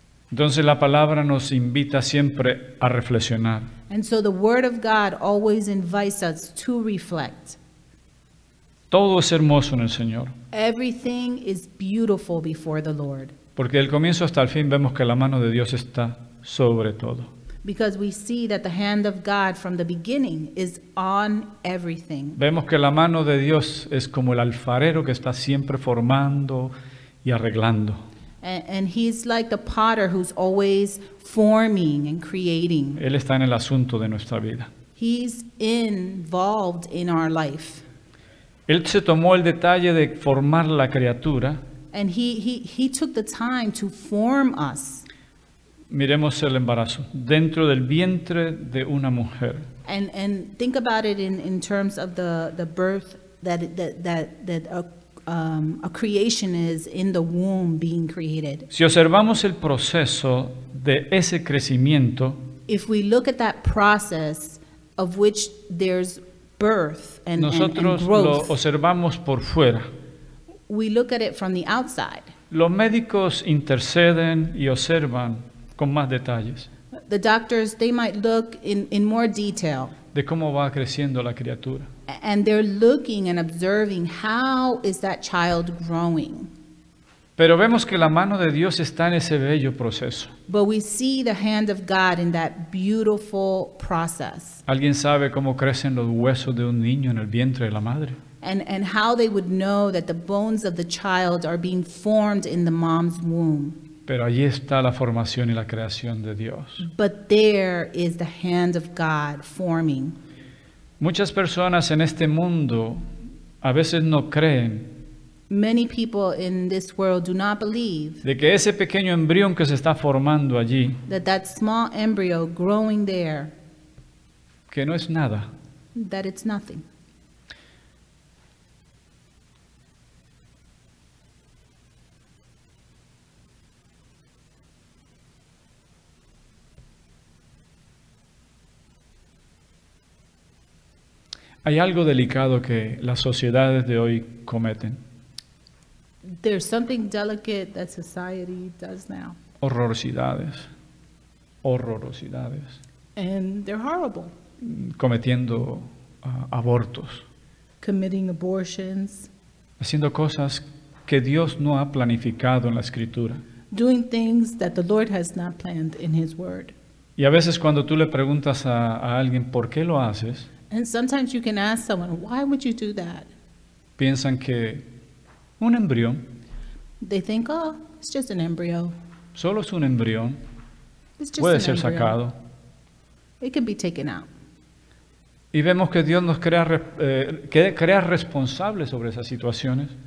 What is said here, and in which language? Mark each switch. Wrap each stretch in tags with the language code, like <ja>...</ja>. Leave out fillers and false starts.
<es>Entonces la palabra nos invita siempre a reflexionar.</es> <en>And so the word of God always invites us to reflect.</en> <es>Todo es hermoso en el Señor.</es> <en>Everything is beautiful before the Lord.</en> <es>Porque del comienzo hasta el fin vemos que la mano de Dios está sobre todo.</es> <en>Because we see that the hand of God from the beginning is on everything.</en> <es>Vemos que la mano de Dios es como el alfarero que está siempre formando y arreglando.</es> <en>And he's like the potter who's always forming and creating.</en> <es>Él está en el asunto de nuestra vida.</es> <en>He's involved in our life.</en> <es>Él se tomó el detalle de formar la criatura.</es> <en>And he took the time to form us.</en> <es>Miremos el embarazo dentro del vientre de una mujer.</es> <en>And think about it in terms of the birth that a creation is in the womb being created.</en> <es>Si observamos el proceso de ese crecimiento,</es> <en>if we look at that process of which there's birth and</en> <es>nosotros</es> <en>and growth,</en> <es>lo observamos por fuera.</es> <en>We look at it from the outside.</en> <es>Los médicos interceden y observan con más detalles.</es> <en>The doctors, they might look in more detail.</en> <es>De cómo va creciendo la criatura.</es> <en>And they're looking and observing how is that child growing.</en> <es>Pero vemos que la mano de Dios está en ese bello proceso.</es> <en>But we see the hand of God in that beautiful process.</en> <es>¿Alguien sabe cómo crecen los huesos de un niño en el vientre de la madre?</es> <en>And how they would know that the bones of the child are being formed in the mom's womb.</en> <es>Pero allí está la formación y la creación de Dios.</es> <en>But there is the hand of God forming.</en> <es>Muchas personas en este mundo a veces no creen.</es> <en>Many people in this world do not believe.</en> <es>De que ese pequeño embrión que se está formando allí.</es> <en>That small embryo growing there.</en> <es>Que no es nada.</es> <en>That it's nothing.</en> <es>Hay algo delicado que las sociedades de hoy cometen.</es> <en>There's something delicate that society does now.</en> <es>Horrorosidades. Horrorosidades.</es> <en>And they're horrible.</en> <es>Cometiendo abortos.</es> <en>Committing abortions.</en> <es>Haciendo cosas que Dios no ha planificado en la Escritura.</es> <en>Doing things that the Lord has not planned in His Word.</en> <es>Y a veces cuando tú le preguntas a alguien por qué lo haces,</es> <en>and sometimes you can ask someone, why would you do that?</en> <es>Piensan que un embrión.</es> <en>They think, oh, it's just an embryo.</en> <es>Solo es un embrión.</es> <en>It's just</en> <es>puede</es> <en>an</en> <es>ser</es> <en>embryo.</en> <es>Sacado.</es> <en>It can be taken out.</en> <es>Y vemos que Dios nos crea, crea responsables sobre esas situaciones.</es>